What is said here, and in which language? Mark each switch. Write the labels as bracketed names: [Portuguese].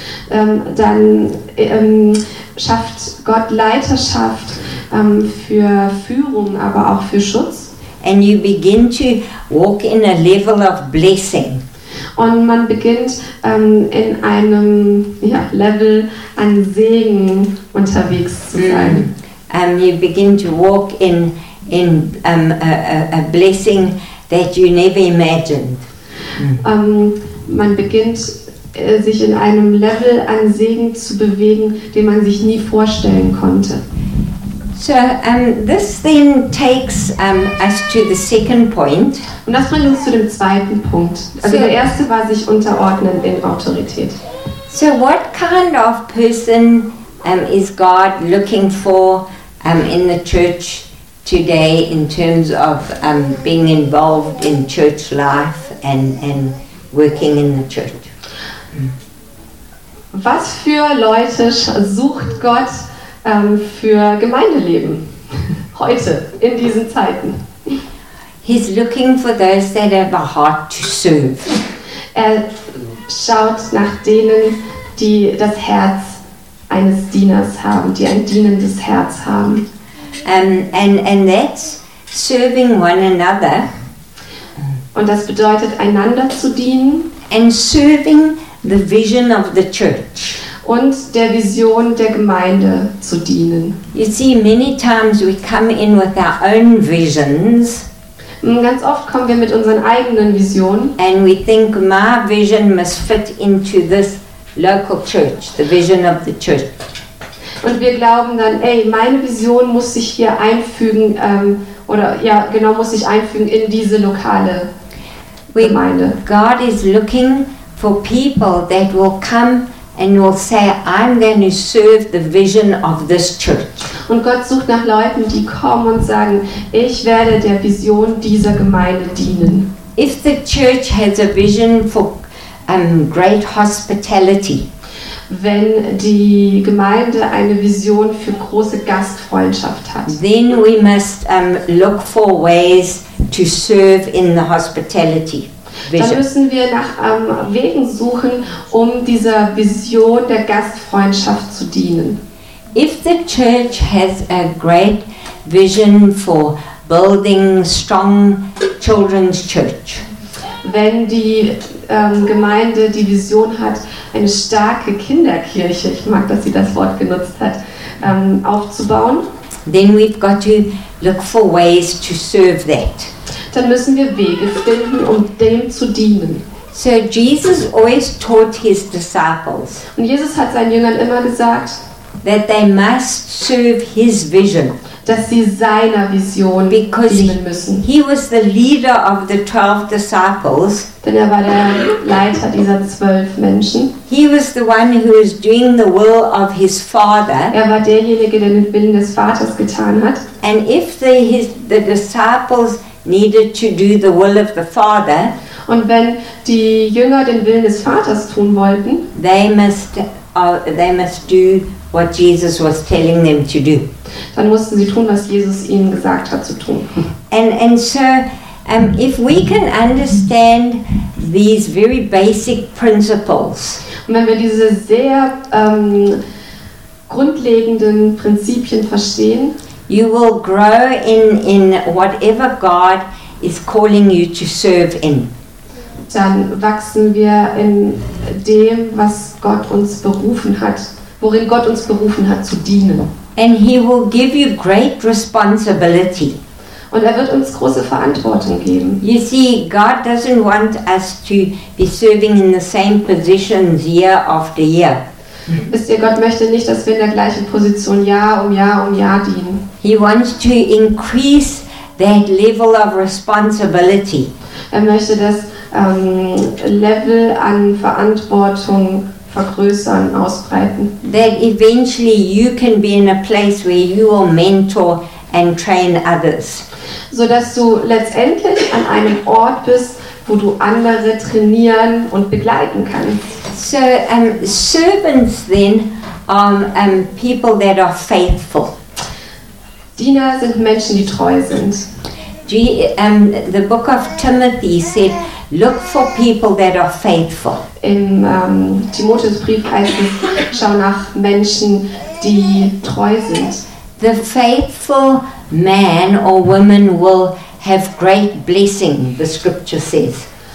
[German] Dann schafft Gott Leiterschaft für Führung, aber auch für Schutz. [English] And you begin to walk in a level of blessing. [German] Und man beginnt in einem Level an Segen unterwegs zu sein. [English] You begin to walk in a blessing that you never imagined. [German] Man beginnt sich in einem Level an Segen zu bewegen, den man sich nie vorstellen konnte. [English] So, this then takes us to the second point. [German] Und das bringt uns zu dem zweiten Punkt. Also der erste war sich unterordnen in Autorität. [English] So, what kind of person is God looking for in the church today in terms of being involved in church life and working in the church? [German] Was für Leute sucht Gott für Gemeindeleben heute in diesen Zeiten? [English] He's looking for those that have a heart to serve. [German] Er schaut nach denen, die das Herz eines Dieners haben, die ein dienendes Herz haben. [English] And that's serving one another. [German] Und das bedeutet, einander zu dienen. [English] And serving the vision of the church. [German] Und der Vision der Gemeinde zu dienen. [English] You see, many times we come in with our own visions. [German] Ganz oft kommen wir mit unseren eigenen Visionen. [English] And we think my vision must fit into this local church, the vision of the church. [German] Und wir glauben dann, ey, meine Vision muss sich hier einfügen, oder ja, genau, muss sich einfügen in diese lokale Gemeinde. [English] God is looking for people that will come and will say, I'm going to serve the vision of this church. [German] Und Gott sucht nach Leuten, die kommen und sagen, ich werde der Vision dieser Gemeinde dienen. [English] If the church has a vision for great hospitality, [German] wenn die Gemeinde eine Vision für große Gastfreundschaft hat, [English] then we must look for ways to serve in the hospitality. [German] Dann müssen wir nach Wegen suchen, um dieser Vision der Gastfreundschaft zu dienen. [English] If the church has a great vision for building strong children's church, [German] wenn die Gemeinde die Vision hat, eine starke Kinderkirche, ich mag, dass sie das Wort genutzt hat, aufzubauen, [English] then we've got to look for ways to serve that. [German] Dann müssen wir Wege finden, um dem zu dienen. [English] So Jesus always taught his disciples. [German] Und Jesus hat seinen Jüngern immer gesagt, [English] that they must serve his vision. [German] Dass sie seiner Vision [English] because [German] dienen müssen. [English] He was the leader of the 12 disciples. [German] Denn er war der Leiter dieser 12 Menschen. [English] He was the one who was doing the will of his father. [German] Er war derjenige, der den Willen des Vaters getan hat. [English] And if the disciples needed to do the will of the Father, [German] und wenn die Jünger den Willen des Vaters tun wollten, [English] they must do what Jesus was telling them to do. [German] Dann mussten sie tun, was Jesus ihnen gesagt hat zu tun. [English] And so, if we can understand these very basic principles, [German] und wenn wir diese sehr grundlegenden Prinzipien verstehen, [English] you will grow in whatever God is calling you to serve in. [German] Dann wachsen wir in dem, was Gott uns berufen hat, worin Gott uns berufen hat zu dienen. [English] And he will give you great responsibility. [German] Und er wird uns große Verantwortung geben. [English] You see, God doesn't want us to be serving in the same positions year after year. [German] Wisst ihr, Gott möchte nicht, dass wir in der gleichen Position Jahr um Jahr um Jahr dienen. [English] He wants to increase that level of responsibility. [German] Er möchte das Level an Verantwortung vergrößern, ausbreiten. [English] That eventually you can be in a place where you will mentor and train others. [German] So dass du letztendlich an einem Ort bist, wo du andere trainieren und begleiten kannst. [English] So servants then are people that are faithful. [German] Diener sind Menschen, die treu sind. [English] The book of Timothy said, look for people that are faithful. [German] Im Timotheus Brief heißt es, schau nach Menschen, die treu sind. [English] The faithful man or woman will have great blessing, the scripture says.